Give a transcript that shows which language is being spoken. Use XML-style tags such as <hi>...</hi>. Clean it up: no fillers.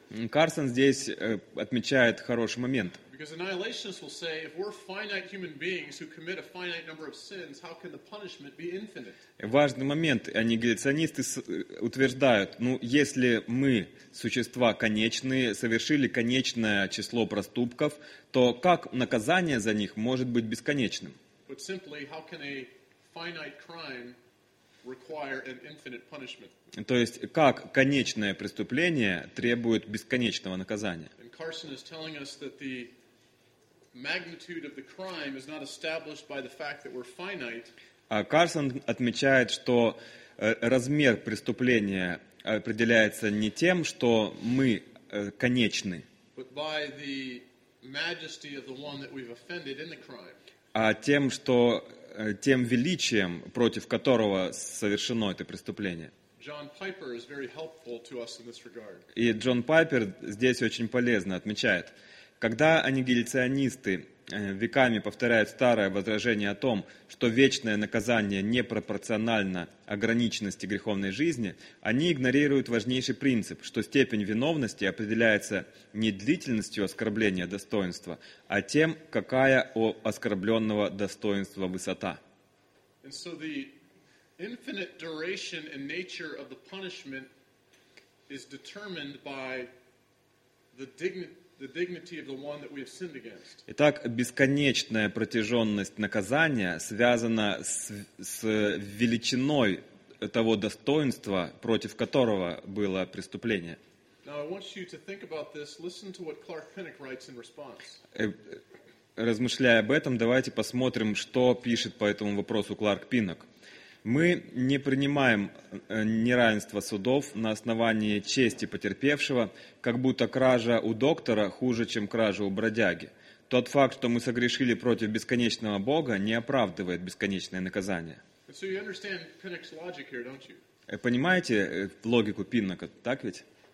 <ru>Карсон здесь отмечает хороший момент.</ru> <en>Because annihilationists will say, if we're finite human beings who commit a finite number of sins, how can the punishment be infinite?</en> <ru>Важный момент. Аннигиляционисты утверждают, ну, если мы, существа конечные, совершили конечное число проступков, то как наказание за них может быть бесконечным?</ru> <en>But simply, how can a finite crime require an infinite punishment?</en> <ru>То есть, как конечное преступление требует бесконечного наказания?</ru> <en>And Carson is telling us that the magnitude of the crime is not established by the fact that we're finite.</en> <ru>Карсон отмечает, что размер преступления определяется не тем, что мы конечны,</ru> <en>but by the majesty of the one that we've offended in the crime.</en> <ru>А тем, что тем величием, против которого совершено это преступление.</ru> <en>John Piper is very helpful to us in this regard.</en> <ru>И Джон Пайпер здесь очень полезно отмечает. Когда аннигиляционисты веками повторяют старое возражение о том, что вечное наказание непропорционально ограниченности греховной жизни, они игнорируют важнейший принцип, что степень виновности определяется не длительностью оскорбления достоинства, а тем, какая у оскорбленного достоинства высота.</ru> <en>And so the infinite duration and nature of the punishment is determined by the dignity of the one that we have sinned against.</en> <ru>Итак, бесконечная протяженность наказания связана с величиной того достоинства, против которого было преступление.</ru> <en>Now I want you to think about this. Listen to what Clark Pinnock writes in response.</en> <ru>Размышляя об этом, давайте посмотрим, что пишет по этому вопросу Кларк Пиннок. Мы не принимаем неравенство судов на основании чести потерпевшего, как будто кража у доктора хуже, чем кража у бродяги. Тот факт, что мы согрешили против бесконечного Бога, не оправдывает бесконечное наказание.</ru> <en>So you understand Pinnock's logic here, don't you?</en> <ru>Понимаете логику Пиннока, так ведь?</ru>